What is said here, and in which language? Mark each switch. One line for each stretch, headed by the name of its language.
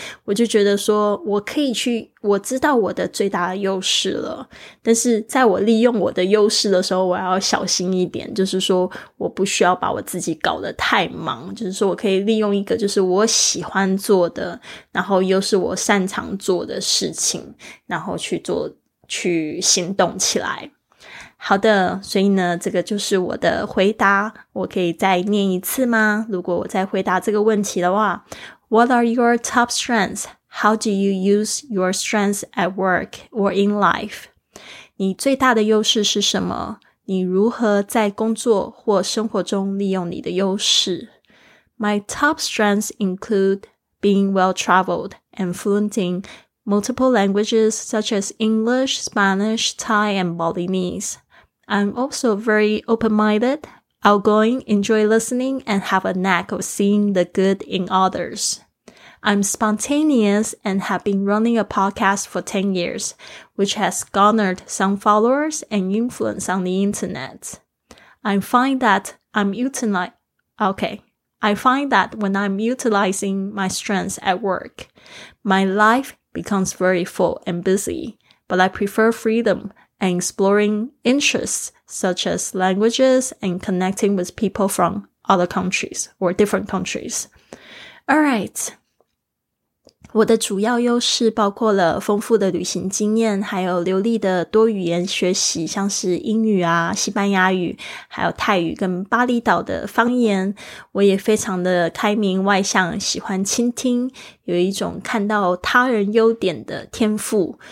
Chinese: 我就觉得说我可以去，我知道我的最大的优势了，但是在我利用我的优势的时候我要小心一点，就是说我不需要把我自己搞得太忙，就是说我可以利用一个就是我喜欢做的然后又是我擅长做的事情，然后去行动起来。好的，所以呢这个就是我的回答。我可以再念一次吗？如果我再回答这个问题的话，
English: What are your top strengths? How do you use your strengths at work or in life?
Chinese: 你最大的优势是什么？你如何在工作或生活中利用你的优势？
English: My top strengths include being well-traveled and fluent in multiple languages such as English, Spanish, Thai, and Balinese. I'm also very open-minded, outgoing, enjoy listening, and have a knack of seeing the good in others. I'm spontaneous and have been running a podcast for 10 years, which has garnered some followers and influence on the internet. I find that when I'm utilizing my strengths at work, my life becomes very full and busy, but I prefer freedom. And exploring interests such as languages and connecting with people from other countries or different countries. All right.
Chinese: 我的主要优势包括了丰富的旅行经验，还有流利的多语言学习，像是英语啊、西班牙语，还有泰语跟巴厘岛的方言。我也非常的开明外向，喜欢倾听，有一种看到他人优点的天赋。